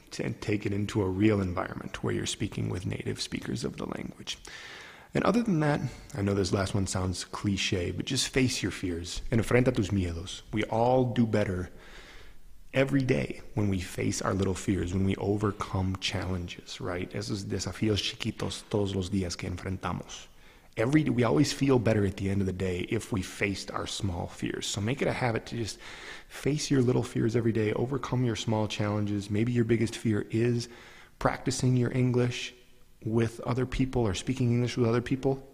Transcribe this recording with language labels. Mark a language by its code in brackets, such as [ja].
[en] Take it into a real environment where you're speaking with native speakers of the language. And other than that, I know this last one sounds cliche, but just face your fears. [es] Enfrenta tus miedos. [en] We all do better every day when we face our little fears, when we overcome challenges, right? [es] Esos desafíos chiquitos todos los días que enfrentamos. [en] We always feel better at the end of the day if we faced our small fears. So make it a habit to just face your little fears every day, overcome your small challenges. Maybe your biggest fear is practicing your English with other people or speaking English with other people.